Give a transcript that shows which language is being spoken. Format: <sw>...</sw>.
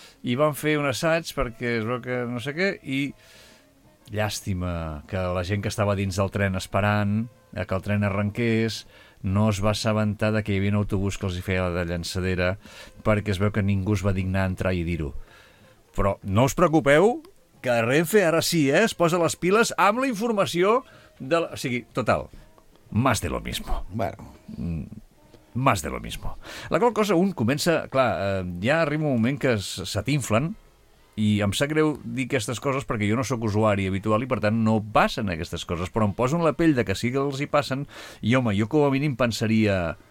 <ca>I van fer un assaig perquè es veu que no sé què, i llàstima que la gent que estava dins del tren esperant que el tren arrenqués... no es va assabentar que hi havia un autobús que els hi feia la de llançadera, perquè es veu que ningú es va dignar a entrar i dir-ho. Però no us preocupeu, que Renfe ara sí, es posa les piles amb la informació de... O sigui, total,</ca> <es>más de lo mismo. Bueno. Más de lo mismo.</es> <ca>La qual cosa, un comença... Clar, ja arriba un moment que se t'inflen, i em sap greu dir aquestes coses perquè jo no sóc usuari habitual i, per tant, no passen aquestes coses, però em poso en la pell de que sí que els hi passen i, home, jo com a mínim pensaria...</ca>